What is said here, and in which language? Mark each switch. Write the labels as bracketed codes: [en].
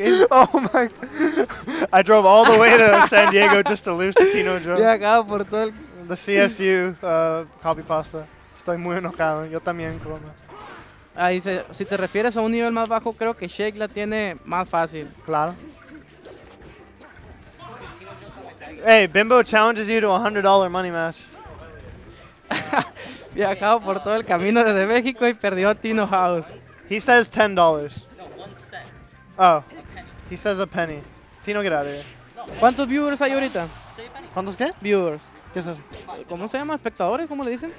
[en] Oh my God. I drove all the way to San Diego just to lose to Tino Joe. [es] Viajado por todo el [en] the CSU copypasta. [es] Estoy muy enojado. Yo también, Chroma. Ahí dice, si te refieres a un nivel más bajo, creo que Shake la tiene más fácil. Claro. [en] Hey, Bimbo challenges you to a $100 money match. [es] Viajado por todo el camino desde México y perdió a Tino House. [en] He says $10. No, 1 cent. Oh. He says a penny. Tino, get out of here. [es] ¿Cuántos viewers hay ahorita? ¿Cuántos qué? Viewers. ¿Qué es eso? ¿Cómo se llama? ¿Espectadores? ¿Cómo le dicen?